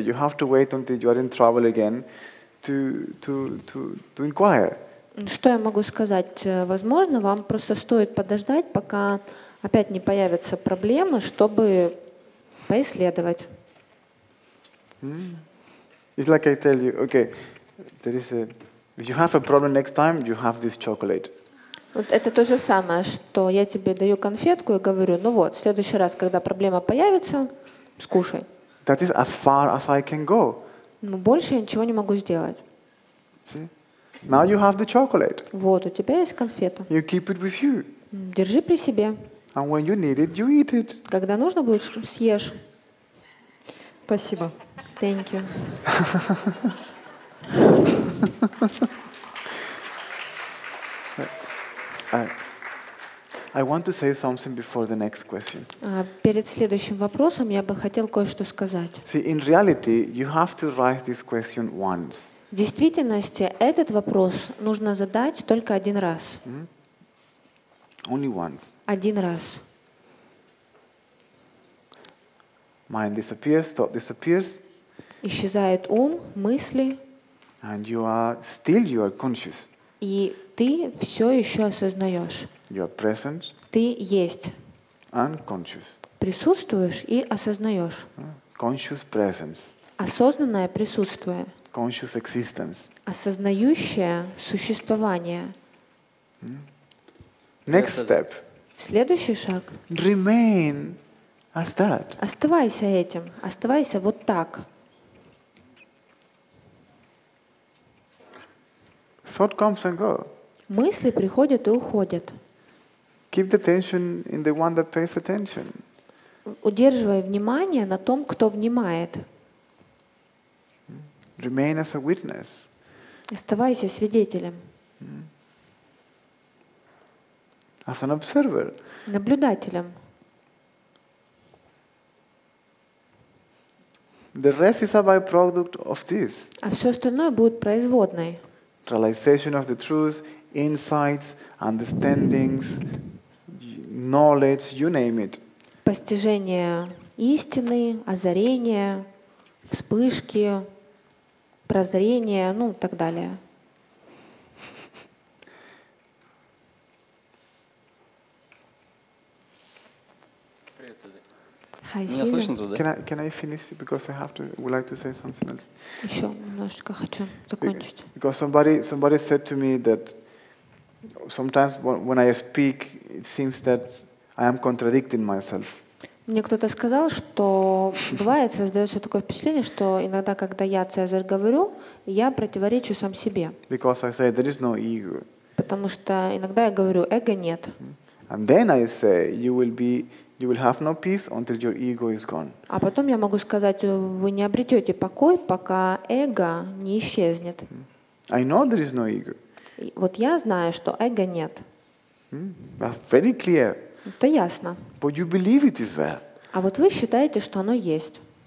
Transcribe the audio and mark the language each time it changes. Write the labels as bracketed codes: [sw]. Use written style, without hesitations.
[en] You have to wait until you are in trouble again to inquire. [ru] Что я могу сказать? Возможно, вам просто стоит подождать, пока опять не появятся проблемы, чтобы поисследовать. [en] It's like I tell you, okay, there is a, if you have a problem next time, you have this chocolate. [ru] Вот это то же самое, что я тебе даю конфетку и говорю, ну вот, в следующий раз, когда проблема появится, скушай. [en] That is as far as I can go. [ru] Но больше я ничего не могу сделать. [en] See? Now you have the chocolate. [ru] Вот, у тебя есть конфета. [en] You keep it with you. [ru] Держи при себе. [en] And when you need it, you eat it. [ru] Когда нужно будет, съешь. Спасибо. [en] Thank you. I want to say something before the next question. [ru] Перед следующим вопросом я бы хотел кое-что сказать. [en] See, in reality, you have to write this question once. [ru] В действительности этот вопрос нужно задать только один раз. [en] Only once. [ru] Один раз. [en] Mind disappears, thought disappears. [ru] Исчезает ум, мысли. [en] And you are still you are conscious. [ru] И ты все еще осознаешь. [en] You are present. [ru] Ты есть. [en] And conscious. [ru] Присутствуешь и осознаешь. [en] Conscious presence. [ru] Осознанное присутствие. [en] Conscious existence. [ru] Осознающее существование. [en] Next step. [ru] Следующий шаг. [en] Remain as that. [ru] Оставайся этим. Оставайся вот так. [en] Thought comes and go. [ru] Мысли приходят и уходят. [en] Keep the attention in the one that pays attention. [ru] удерживай внимание на том, кто внимает. [en] Remain as a witness. [ru] Оставайся свидетелем. [en] As an observer. [ru] Наблюдателем. [en] The rest is a byproduct of this. [ru] А все остальное будет производной. [en] Realization of the truth, insights, understandings, knowledge, you name it. [ru] Постижение истины, озарение, вспышки, прозрение, ну и так далее. Меня слышно туда? [en] Can I finish because I have to would like to say something else? [ru] Еще немножко хочу закончить. [en] Because somebody said to me that sometimes when I speak it seems that I am contradicting myself. [ru] Мне кто-то сказал, что бывает создается такое впечатление, что иногда, когда я Цезарь говорю, я противоречу сам себе. [en] Because I say there is no ego. [ru] Потому что иногда я говорю, эго нет. [en] And then I say you will have no peace until your ego is gone. [ru] А потом я могу сказать, вы не обретете покой, пока эго не исчезнет. [en] I know there is no ego. [ru] Вот я знаю, что эго нет. [en] That's very clear. [ru] Это ясно. [en] But you believe it is there. [ru] А вот вы считаете, что оно есть.